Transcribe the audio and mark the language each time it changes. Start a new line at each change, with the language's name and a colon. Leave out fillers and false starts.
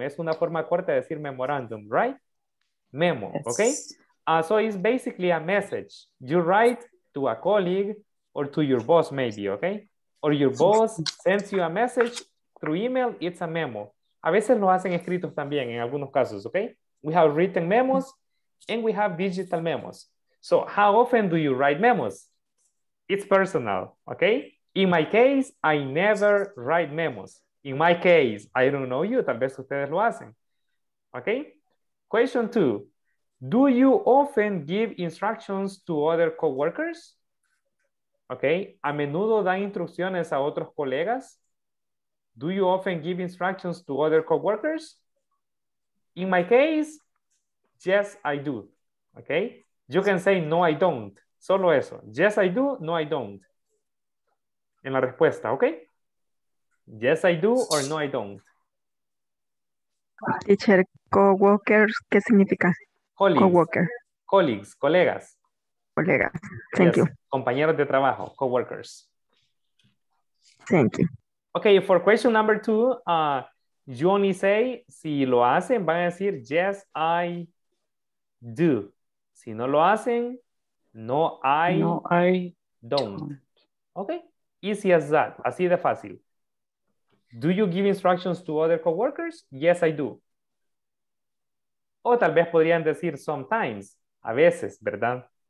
Spanish: Es una forma corta de decir memorandum,
English: right? Memo, yes. Okay? So it's basically a message. You write to a colleague or to your boss maybe, okay? Or your boss sends you a message through email, it's a memo.
Spanish: A veces lo hacen escritos también en algunos casos, okay?
English: We have written memos and we have digital memos. So how often do you write memos? It's personal, okay? In my case, I never write memos. In my case, I don't know you, tal vez ustedes lo hacen, okay? Question two. Do you often give instructions to other coworkers?
Spanish: Okay, a menudo da instrucciones a otros colegas.
English: Do you often give instructions to other coworkers? In my case, yes, I do. Okay, you can say no, I don't.
Spanish: Solo eso.
English: Yes, I do. No, I don't.
Spanish: En la respuesta,
English: okay? Yes, I do or no, I don't.
Spanish: Teacher, coworkers, ¿qué significa?
English: Colleagues, co-worker. Colleagues, colegas. Colegas, thank yes. you.
Spanish: Compañeros de trabajo, co-workers.
English: Thank you. Okay, for question number two, you only say,
Spanish: si lo hacen, van a decir,
English: yes, I do.
Spanish: Si no lo hacen, no,
English: I don't. Okay, easy as that,
Spanish: así de fácil.
English: Do you give instructions to other co-workers? Yes, I do.
Spanish: O tal vez podrían decir sometimes, a veces, ¿verdad?